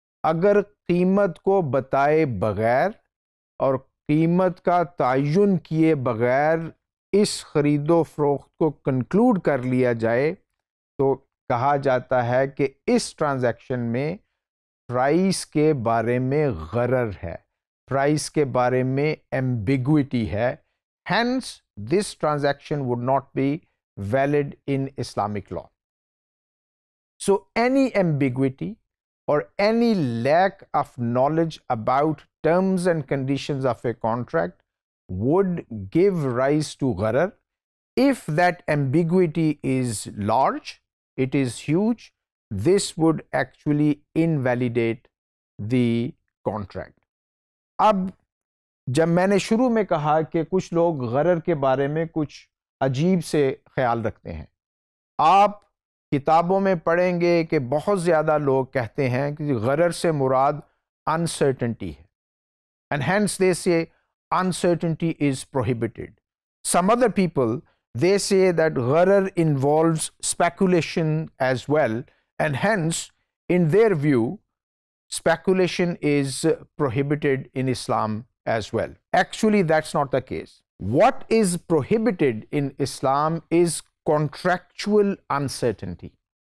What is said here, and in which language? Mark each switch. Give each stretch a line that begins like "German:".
Urdu: اگر قیمت کو بتائے بغیر اور قیمت کا تعین کیے بغیر اس خرید و فروخت کو کنکلوڈ کر لیا جائے تو کہا جاتا ہے کہ اس ٹرانزیکشن میں پرائس کے بارے میں غرر ہے, پرائس کے بارے میں ایمبیگوٹی ہے,
English: Hence this transaction would not be valid in Islamic law. So any ambiguity اور any lack of knowledge about terms and conditions of a contract would give rise to gharar. If that ambiguity is large, it is huge, this would actually invalidate the contract.
Urdu: اب جب میں نے شروع میں کہا کہ کچھ لوگ غرر کے بارے میں کچھ عجیب سے خیال رکھتے ہیں, آپ کتابوں میں پڑھیں گے کہ بہت زیادہ لوگ کہتے ہیں کہ غرر سے مراد uncertainty ہے,
English: and hence they say uncertainty is prohibited. Some other people, they say that gharar involves speculation as well, and hence in their view speculation is prohibited in Islam as well. Actually that's not the case. What is prohibited in Islam is contractual uncertainty.